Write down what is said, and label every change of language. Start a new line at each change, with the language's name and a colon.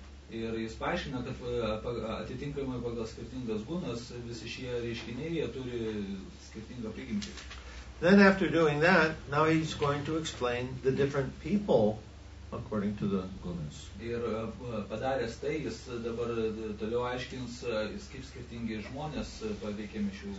Lithuanian: Ir jis paaiškina, kad atitinkamai pagal skirtingas gunas, visi šie reiškiniai turi skirtingą prigimtį.
English: Then after doing that, now he's going to explain the different people according to the gunas.
Lithuanian: Ir padaręs tai, jis dabar toliau aiškins, kaip skirtingi žmonės paveikiami šių gunų.